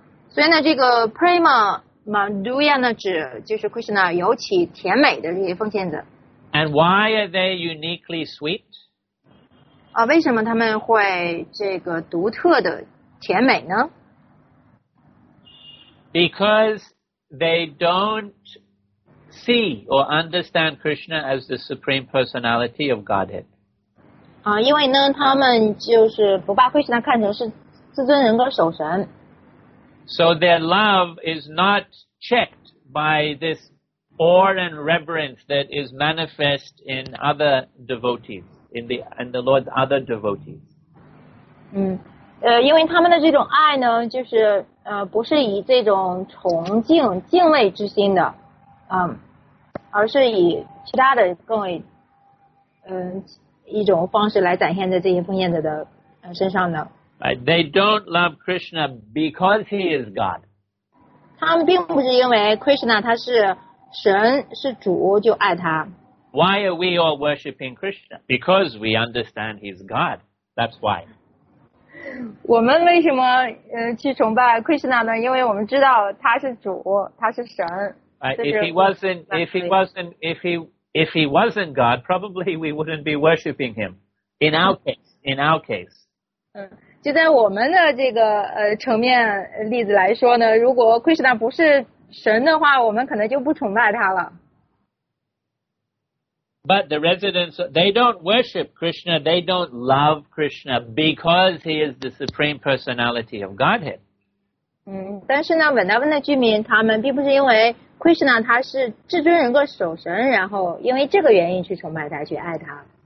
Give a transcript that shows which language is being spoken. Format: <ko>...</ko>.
<zh>所以呢这个 Prema Madhurya 呢指就是 Krishna 尤其甜美的这些奉献者。</zh> <en>And why are they uniquely sweet?</en> <zh>为什么他们会这个独特的甜美呢?</zh> <en>Because they don't see or understand Krishna as the Supreme Personality of Godhead.</en> <zh>因为呢他们就是不把 Krishna 看成是自尊人格守神。</zh> <en>So their love is not checked by this awe and reverence that is manifest in other devotees, in the Lord's other devotees.</en> <zh>因为他们的这种爱呢就是不是以这种崇敬敬畏之心的。而是以其他的更为一种方式来展现在这些奉献者的身上呢。</zh> <en>Right? They don't love Krishna because he is God.</en> <zh>他们并不是因为 Krishna 他是神是主就爱他。</zh> <en>Why are we all worshipping Krishna? Because we understand he's God. That's why.</en> <zh>我们为什么去崇拜 Krishna 呢？因为我们知道他是主，他是神。</zh> <en>If he wasn't God, probably we wouldn't be worshipping him. In our case.</en> <zh>就在我们的这个层面例子来说呢，如果 Krishna 不是神的话，我们可能就不崇拜他了。</zh> <en>But the residents, they don't worship Krishna, they don't love Krishna because he is the Supreme Personality of Godhead.</en> <zh>但是呢 Vrindavan 的居民他们并不是因为 Krishna 他是至尊人格守神然后因为这个原因去崇拜他去爱他。</zh>